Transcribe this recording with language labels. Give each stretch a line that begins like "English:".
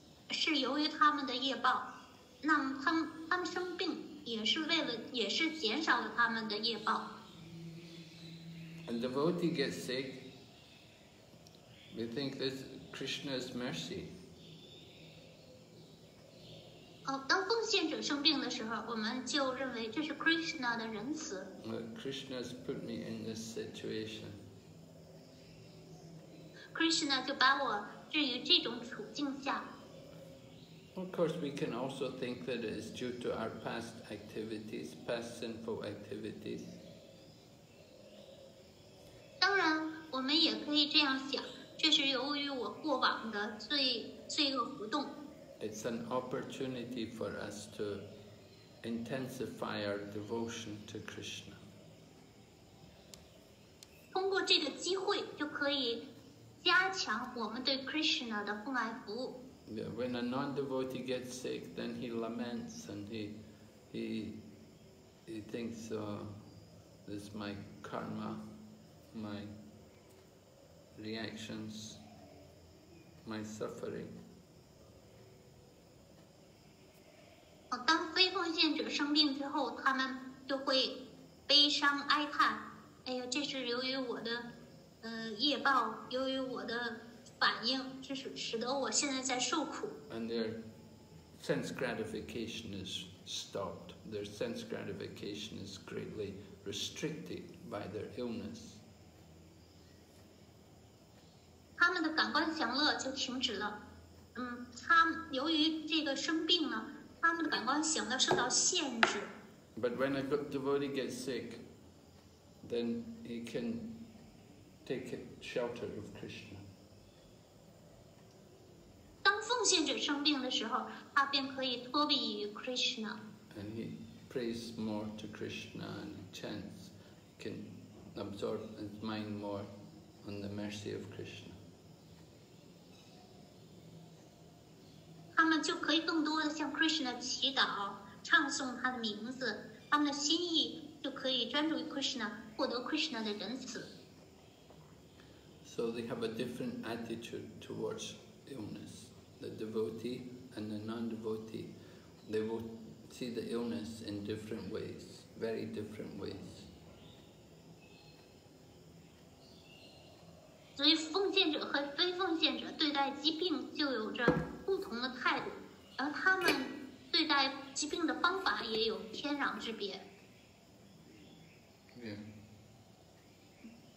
Chinese: 是由于他们的业报，那么他们生病也是减少了他们的业报。
English: And the devotee gets sick, we think this Krishna's mercy.
Chinese: 当奉献者生病的时候，我们就认为这是 Krishna 的仁慈。
English: Krishna's put me in this situation.
Chinese: Krishna 就把我置于这种处境下。
English: Of course, we can also think that it is due to our past activities, past sinful activities.
Chinese: 当然，我们也可以这样想，这是由于我过往的罪恶活动。
English: It's an opportunity for us to intensify our devotion to Krishna.
Chinese: 通过这个机会，就可以加强我们对 Krishna 的奉爱服务。
English: When a non-devotee gets sick, then he laments and he thinks, this is my karma, my reactions, my suffering.
Chinese: 当非奉献者生病之后，他们就会悲伤哀叹，哎呦，这是由于我的业报，由于我的反应，这是使得我现在在受苦。
English: And their sense gratification is stopped. Their sense gratification is greatly restricted by their illness.
Chinese: 他们的感官享乐就停止了。他由于这个生病呢，他们的感官享乐受到限制。
English: But when a devotee gets sick, then he can take shelter of Krishna.
Chinese: 奉献者生病的时候，他便可以托庇于 Krishna。
English: And he prays more to Krishna and chants, can absorb his mind more on the mercy of Krishna.
Chinese: 就可以更多的向 Krishna 祈祷，唱诵他的名字，他们的心意就可以专注于 Krishna， 获得 Krishna 的仁慈。
English: So they have a different attitude towards illness. The devotee and the non-devotee, they will see the illness in different ways, very different ways.
Chinese: 所以奉献者和非奉献者对待疾病就有着不同的态度，而他们对待疾病的方法也有天壤之别。
English: Yeah.